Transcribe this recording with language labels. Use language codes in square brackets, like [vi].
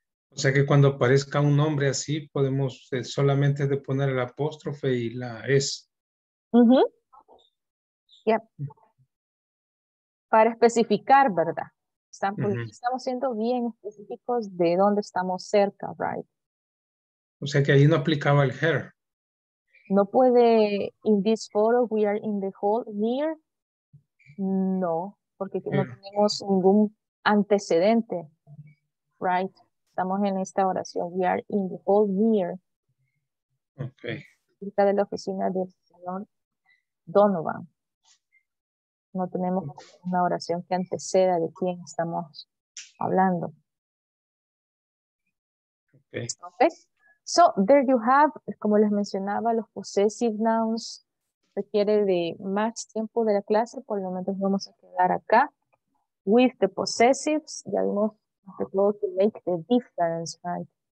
[es] O sea que cuando aparezca un nombre así, podemos solamente de poner el apóstrofe y la S. Uh-huh. Yep. Para especificar, ¿verdad? Estamos, uh-huh. estamos siendo bien específicos de dónde estamos cerca, right? O sea que ahí no aplicaba el her. [en] No puede, in this photo, we are in the hall near. [es] No, porque no tenemos ningún antecedente, right? [en] Estamos en esta oración. We are in the hall near. Okay. [es] Cerca de la oficina del señor Donovan. No tenemos una oración que anteceda de quién estamos hablando. [en] Okay. [es] Okay. So, there you have, como les mencionaba, los possessive nouns requiere de más tiempo de la clase. Por el momento nos vamos a quedar acá. [en] With the possessives, ya vimos the flow to make the difference, right?